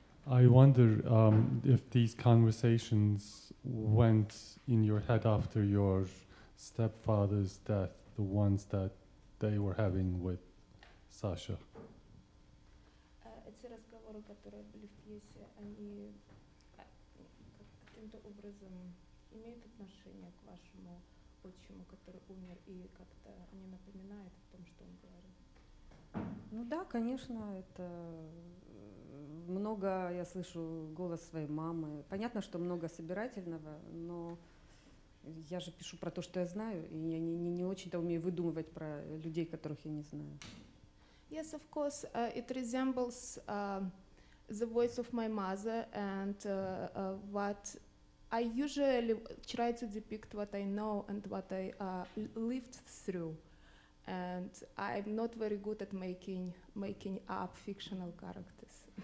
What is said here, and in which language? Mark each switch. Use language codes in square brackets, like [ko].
[en] I wonder if these conversations went in your head after your stepfather's death, the ones that they were having with Sasha. [uk] Ці розмови, які були в п'єсі, вони [ru] каким-то образом [uk] мають відношення до вашого отчима, який помер, і як-то вони нагадують про те, що він говорив. [ru] Ну да, конечно, это много, я слышу голос своей мамы. Понятно, что много собирательного, но я же пишу про то, что я знаю, и я не очень-то умею выдумывать про людей, которых я не знаю. [en] Yes, of course, it resembles the voice of my mother and what I usually try to depict what I know and what I lived through. And I'm not very good at making up fictional characters.